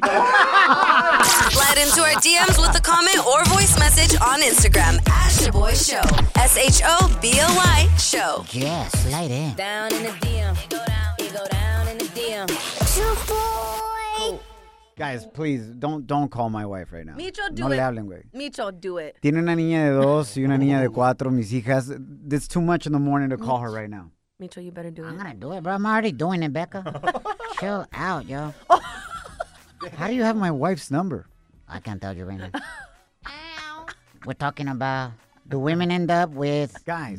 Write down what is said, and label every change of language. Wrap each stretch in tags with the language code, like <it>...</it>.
<en>Slide into our DMs with a comment or voice message on Instagram, at Shaboy Show, S-H-O-B-O-Y, show. Yeah, slide in. Down in the DM, you go down in the DM. Shaboy! Guys, please, don't call my wife right now. Micho, do no it.</en> <es>No le hablen, güey.</es> <en>Micho, do it.</en> <es>Tiene una niña de dos y una niña de cuatro, mis hijas.</es> <en>It's too much in the morning to call her right now. Micho, you better do it. I'm going to do it, bro. I'm already doing it, Becca. Chill out, yo. How do you have my wife's number? I can't tell you, Raina. We're talking about the women end up with guys.</en>